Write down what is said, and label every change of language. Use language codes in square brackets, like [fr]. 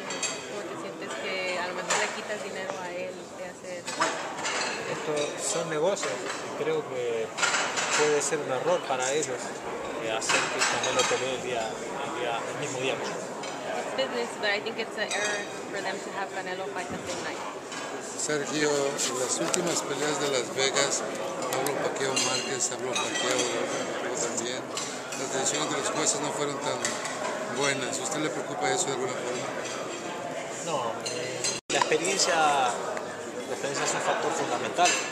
[es] ¿Cómo te sientes que a lo mejor le quitas dinero a él de hacer? Esto son negocios. Creo que puede ser un error para ellos hacer que Canelo pelee el mismo día. [en] It's business, but I think it's an error for them to have Canelo fight the same night. [es] Sergio, en las últimas peleas de Las Vegas, Pablo Paquiao Márquez, Pablo Paquiao también, las decisiones de los jueces no fueron tan buenas. ¿Usted le preocupa eso de alguna forma? No, la experiencia es un factor fundamental.